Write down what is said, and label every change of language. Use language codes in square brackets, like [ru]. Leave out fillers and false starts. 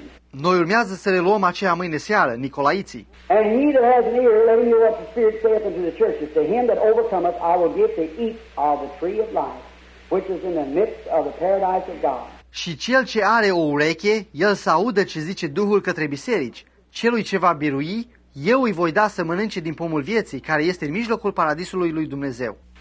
[ro] Noi urmează să le luăm aceea mâine seară, nicolaiții. [en] And he that has an ear, let him hear what the Spirit saith unto the churches. To him that overcometh, I will give to eat of the tree of life, which is in the midst of the paradise of God. [ro] Și cel ce are o ureche, el să audă ce zice Duhul către biserici. celui ce va birui, eu îi voi da să mănânce din pomul vieții, care este în mijlocul paradisului lui Dumnezeu.